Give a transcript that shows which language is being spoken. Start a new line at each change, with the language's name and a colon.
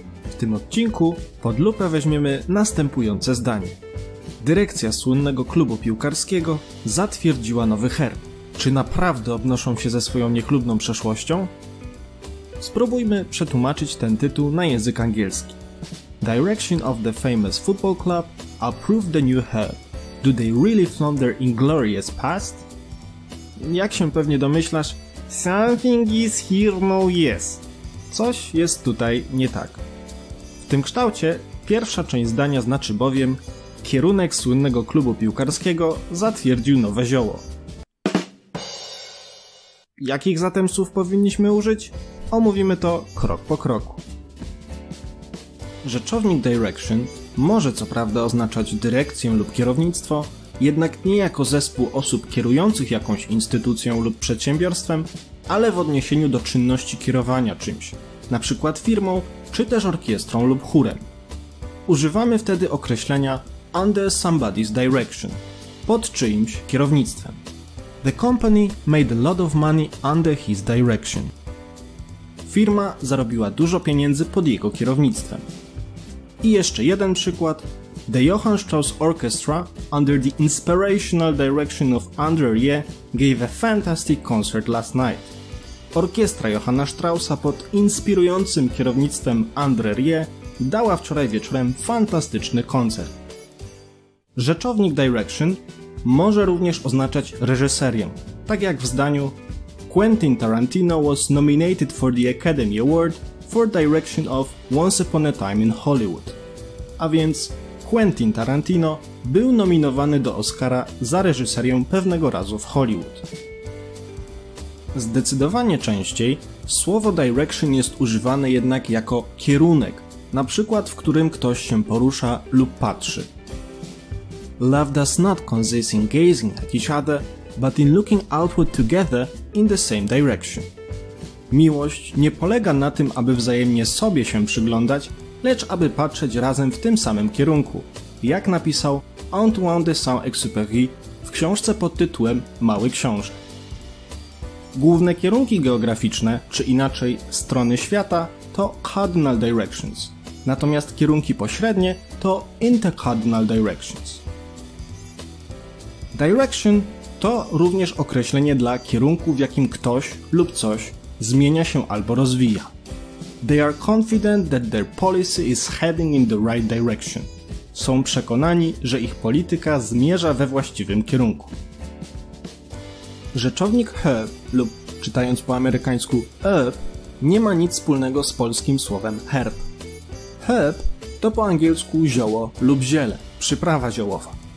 Polish: W tym odcinku pod lupę weźmiemy następujące zdanie. Dyrekcja słynnego klubu piłkarskiego zatwierdziła nowy herb. Czy naprawdę obnoszą się ze swoją niechlubną przeszłością? Spróbujmy przetłumaczyć ten tytuł na język angielski.
English: Direction of the famous football club approve the new herb. Do they really flaunt their inglorious past?
Polish: Jak się pewnie domyślasz,
English: something is here, no yes.
Polish: Coś jest tutaj nie tak. W tym kształcie pierwsza część zdania znaczy bowiem: kierunek słynnego klubu piłkarskiego zatwierdził nowe zioło. Jakich zatem słów powinniśmy użyć? Omówimy to krok po kroku. Rzeczownik direction może co prawda oznaczać dyrekcję lub kierownictwo, jednak nie jako zespół osób kierujących jakąś instytucją lub przedsiębiorstwem, ale w odniesieniu do czynności kierowania czymś, na przykład firmą, czy też orkiestrą lub chórem. Używamy wtedy określenia
English: under somebody's direction,
Polish: pod czyimś kierownictwem.
English: The company made a lot of money under his direction.
Polish: Firma zarobiła dużo pieniędzy pod jego kierownictwem. I jeszcze jeden przykład.
English: The Johann Strauss Orchestra, under the inspirational direction of André Rieu, gave a fantastic concert last night.
Polish: Orkiestra Johanna Straussa pod inspirującym kierownictwem André Rieu dała wczoraj wieczorem fantastyczny koncert. Rzeczownik direction może również oznaczać reżyserię, tak jak w zdaniu
English: Quentin Tarantino was nominated for the Academy Award for direction of Once Upon a Time in Hollywood.
Polish: A więc Quentin Tarantino był nominowany do Oscara za reżyserię pewnego razu w Hollywood. Zdecydowanie częściej słowo direction jest używane jednak jako kierunek, na przykład w którym ktoś się porusza lub patrzy.
English: Love does not consist in gazing at each other, but in looking outward together in the same direction.
Polish: Miłość nie polega na tym, aby wzajemnie sobie się przyglądać, lecz aby patrzeć razem w tym samym kierunku, jak napisał Antoine de Saint-Exupéry w książce pod tytułem Mały książę. Główne kierunki geograficzne, czy inaczej strony świata, to
English: cardinal directions,
Polish: natomiast kierunki pośrednie to
English: intercardinal directions.
Polish: Direction to również określenie dla kierunku, w jakim ktoś lub coś zmienia się albo rozwija.
English: They are confident that their policy is heading in the right direction.
Polish: Są przekonani, że ich polityka zmierza we właściwym kierunku. Rzeczownik herb lub, czytając po amerykańsku herb, nie ma nic wspólnego z polskim słowem herb. Herb to po angielsku zioło lub ziele, przyprawa ziołowa.